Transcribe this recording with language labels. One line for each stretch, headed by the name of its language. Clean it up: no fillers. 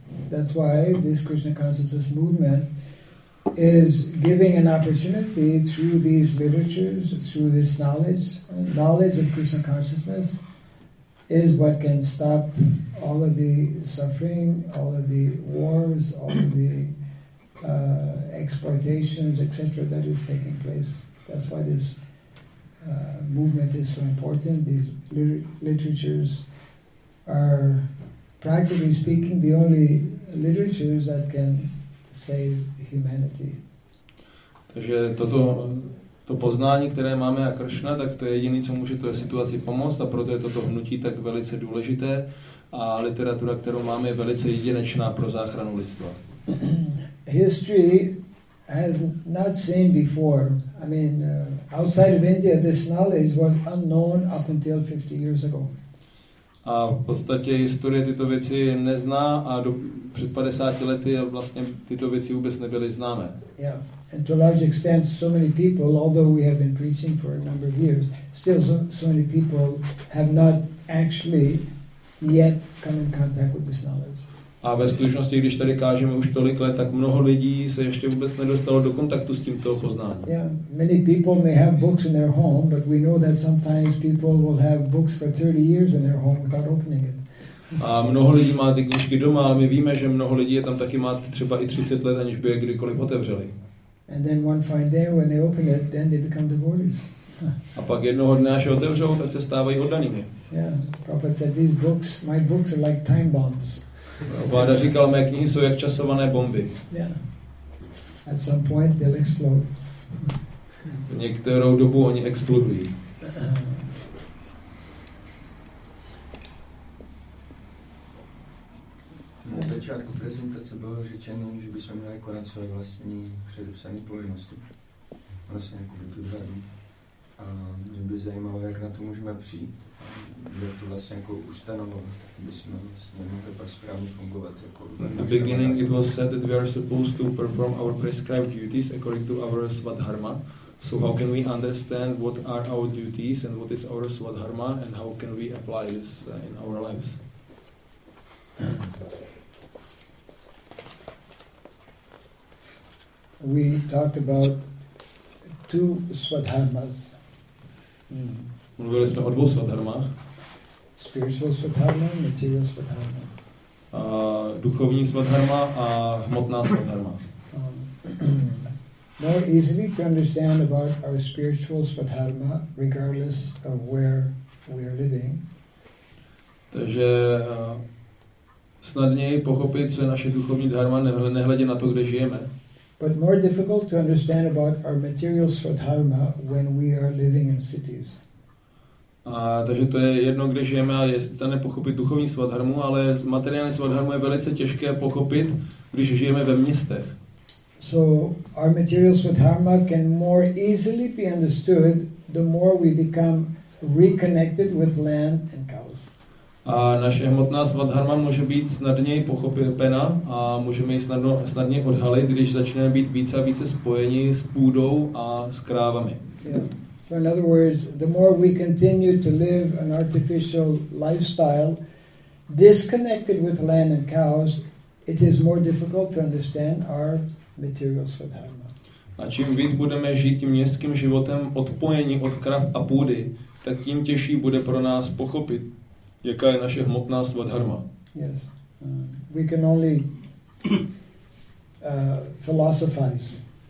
English: That's why this Krishna consciousness movement is giving an opportunity through these literatures, through this knowledge of Krishna consciousness is what can stop all of the suffering, all of the wars, all of the exploitations, etc. that is taking place. That's why this movement is so important. These literatures are, practically speaking, the only literatures that can save humanity.
Czech: Takže to poznání, které máme a Krishna, tak to je jediné, co může té situaci pomoct, a proto je toto hnutí tak velice důležité a literatura, kterou máme, je velice jedinečná pro záchranu lidstva.
English: History has not seen before. I mean, outside of India, this knowledge was unknown up until 50 years ago.
Czech: A v podstatě historie tyto věci nezná a před 50 lety vlastně tyto věci vůbec nebyly známé.
English: Yeah. And to a large extent, so many people, although we have been preaching for a number of years, still so many people have not actually yet come in contact with this knowledge.
Czech: A ve skutečnosti, když tady kážeme už tolik let, tak mnoho lidí se ještě vůbec nedostalo do kontaktu s tímto poznáním.
English: Yeah, many people may have books in their home, but we know that sometimes people will have books for 30 years in their home without opening it.
Czech: A mnoho lidí má ty knížky doma, ale my víme, že mnoho lidí je tam taky má třeba i 30 let, aniž by je kdykoliv otevřeli.
English: And then one fine day when they open it, then they become devotees.
Czech: A pak jednoho dne, až je otevřou, tak se stávají oddanými.
English: Yeah, Prabhupada said these books, my books are like time bombs.
Czech: Vláda říkal, mé knihy jsou jak časované bomby.
English: Yeah. At some point they'll explode.
Czech: V některou dobu oni explodují. Na začátku prezentace bylo řečeno, že bychom měli konat své vlastní předepsané povinnosti. Vlastně jako by tu řadu. A mě by zajímalo, jak na to můžeme přijít. Kde to vlastně jako ustanovat, aby jsme vlastně mohli pak správně fungovat. Jako
English: in the beginning it was said that we are supposed to perform our prescribed duties according to our Svadharma. So how can we understand what are our duties and what is our Svadharma and how can we apply this in our lives? We talked about two Svadharmas.
Czech: Mluvili jsme o dvou svadharmách.
English: Spiritual svadharma, material svadharma.
Czech: Duchovní svadharma a hmotná svadharma.
English: More easily to understand about our spiritual svadharma, regardless of where we are living.
Czech: Takže snadněji pochopit, co je naše duchovní dharma, nehledě na to, kde žijeme.
English: But more difficult to understand about our material svadharma when we are living in cities.
Czech: A takže to je jedno, kde žijeme, a je snadné pochopit duchovní svadharmu, ale materiální svadharmu je velice těžké pochopit, když žijeme ve městech.
English: So our material svadharma can more easily be understood the more we become reconnected with land and cows.
Czech: A naše hmotná svadharma může být snadněji pochopena a můžeme ji snadněji odhalit, když začneme být více a více spojeni s půdou a s krávami.
English: Yeah. So in other words, the more we continue to live an artificial lifestyle, disconnected with land and cows, it is more difficult to understand our material svadharma.
Czech: A čím víc budeme žít tím městským životem odpojení od krav a půdy, tak tím těžší bude pro nás pochopit, jaká je naše hmotná svadharma.
English: Yes. We can only philosophize.